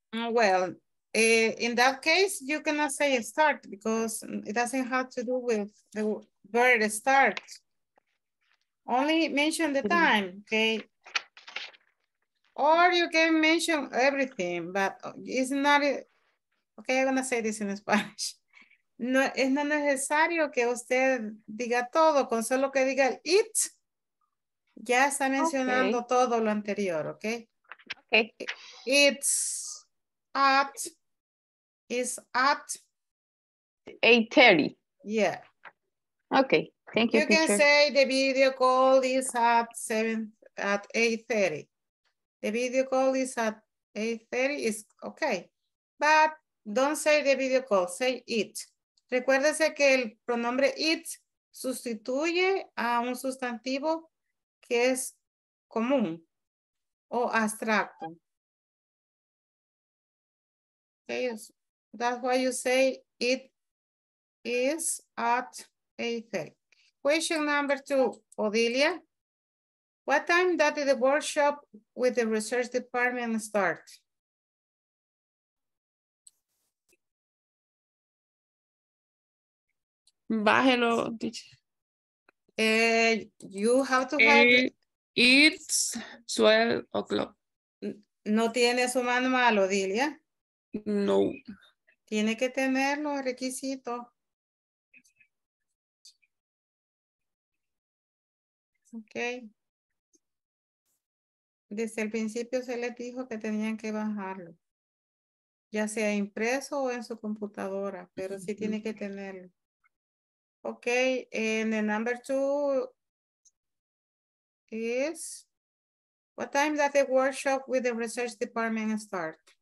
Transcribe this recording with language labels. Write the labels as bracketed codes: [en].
[en] Well, in that case, you cannot say start because it doesn't have to do with the word start. Only mention the time, okay? Or you can mention everything, but it's not, okay, I'm gonna say this in Spanish. [es] No, es no necesario que usted diga todo, con solo que diga it, ya está mencionando okay. Todo lo anterior, okay? [en] Okay. It's at, is at 8:30. Yeah. Okay, thank you. You can say the video call is at 8:30. The video call is at 8:30 is okay. But don't say the video call, say it. [es] Recuérdese que el pronombre it sustituye a un sustantivo que es común o abstracto. [en] Okay, that's why you say it is at 8:30. Question number two, Odilia. What time did the workshop with the research department start? [es] Bájelo. [en] You have to have it. It's 12 o'clock. [es] ¿No tiene su manual, Odilia? No. Tiene que tenerlo, requisito. [en] Ok. [es] Desde el principio se les dijo que tenían que bajarlo. Ya sea impreso o en su computadora, pero sí tiene que tenerlo. [en] Ok, and the number two is, what time does the workshop with the research department start?